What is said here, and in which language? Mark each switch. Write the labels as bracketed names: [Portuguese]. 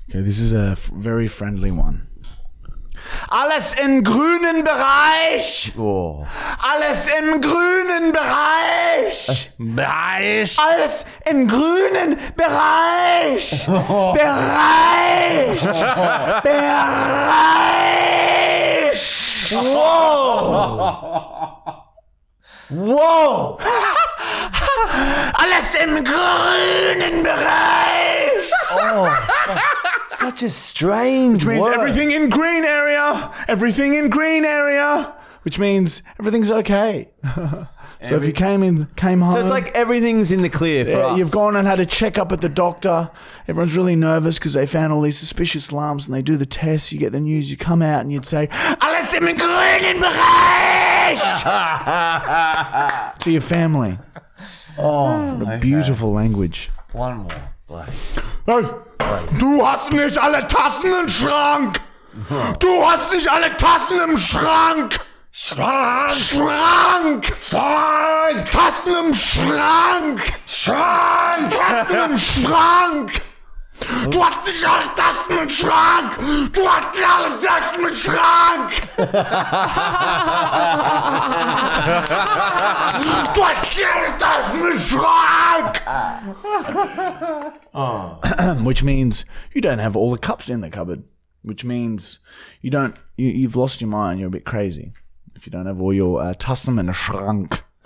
[English] Okay, this is a very friendly one. [German] Alles im grünen Bereich. Alles im grünen Bereich. Bereich. Alles im grünen Bereich. Bereich. Bereich. [English] Whoa. Whoa. [German] Alles im grünen Bereich. [English] Such a strange word. Which means everything in green area. Everything in green area. Which means everything's okay. So if you came home. So it's like everything's in the clear for us. You've gone and had a checkup at the doctor. Everyone's really nervous because they found all these suspicious alarms and they do the test. You get the news. You come out and you'd say, [German] Alles im grünen Bereich! [English] To your family. Oh, what a beautiful language. One more. [German] Hey, du hast nicht alle Tassen im Schrank. Du hast nicht alle Tassen im Schrank. Schrank. Schrank. Schrank. Tassen im Schrank. Schrank. Tassen im Schrank. Du hast nicht alle Tassen im Schrank. Du hast nicht alle Tassen im Schrank. Du hast nicht alle Tassen im Schrank. [English] Which means you don't have all the cups in the cupboard. Which means you don't. You've lost your mind. You're a bit crazy if you don't have all your Tassen in a Schrank.